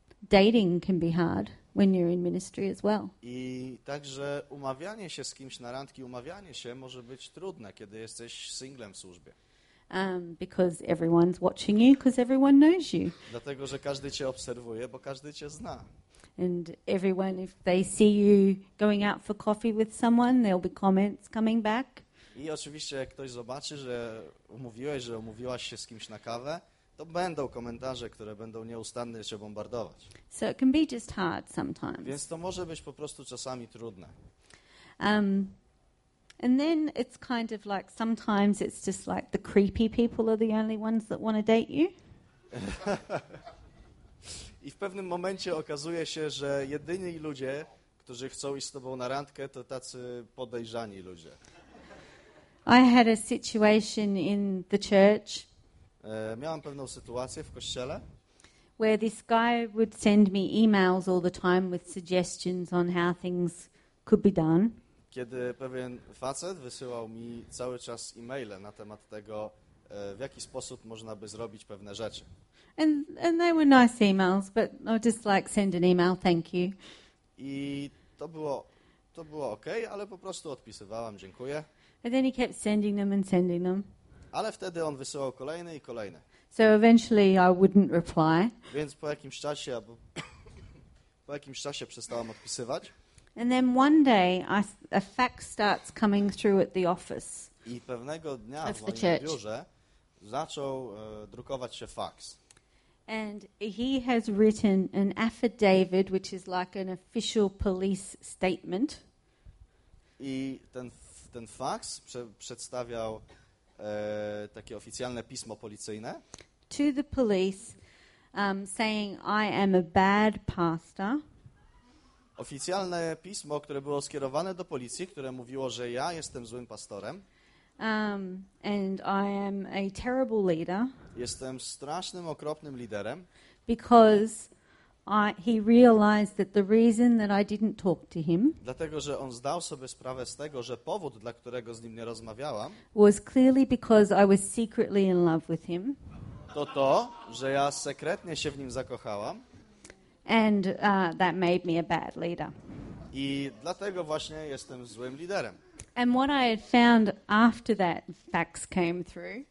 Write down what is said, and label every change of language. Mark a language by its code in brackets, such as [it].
[en] Dating can be hard when you're in ministry as well. [pl] I także umawianie się z kimś na randki, umawianie się może być trudne, kiedy jesteś singlem w służbie. [en] Because everyone's watching you, because everyone knows you. [pl] Dlatego, że każdy cię obserwuje, bo każdy cię zna. [en] And everyone, if they see you going out for coffee with someone, there'll be comments coming back. [pl] I oczywiście, jak ktoś zobaczy, że umówiłeś, że umówiłaś się z kimś na kawę, to będą komentarze, które będą nieustannie cię bombardować. [en] So it can be just hard sometimes. [pl] Więc to może być po prostu czasami trudne. [en] And then it's kind of like sometimes it's just like the creepy people are the only ones that want to date you. [pl] I w pewnym momencie okazuje się, że jedyni ludzie, którzy chcą iść z tobą na randkę, to tacy podejrzani ludzie. [en] I had a situation in the church. [pl] Miałam pewną sytuację w kościele. [en] Where this guy would send me emails all the time with suggestions on how things could be done. [pl] Kiedy pewien facet wysyłał mi cały czas e-maile na temat tego, w jaki sposób można by zrobić pewne rzeczy. [en] And they were nice emails, but I would just like send an email, thank you. [pl] I to było okej, ale po prostu odpisywałam, dziękuję. [en] And then he kept sending them and sending them. [pl] Ale wtedy on wysyłał kolejne i kolejne. [en] So eventually I wouldn't reply. [pl] Więc po jakimś czasie przestałam odpisywać. [en] And then one day a fax starts coming through at the office. [pl] I pewnego dnia w moim biurze zaczął drukować się fax. [en] And he has written an affidavit, which is like an official police statement. [pl] I ten fax przedstawiał takie oficjalne pismo policyjne. [en] To the police, saying I am a bad pastor. [pl] Oficjalne pismo, które było skierowane do policji, które mówiło, że ja jestem złym pastorem. [en] And I am a terrible leader. [pl] Jestem strasznym, okropnym liderem. [en] Because he realized that the reason that I didn't talk to him. [pl] Dlatego, że on zdał sobie sprawę z tego, że powód, dla którego z nim nie rozmawiałam, [en] was clearly because I was secretly in love with him. [pl] To, że ja sekretnie się w nim zakochałam. [en] And that made me a bad leader. [pl] I dlatego właśnie jestem złym liderem. [en] And what I had found after that fax came through.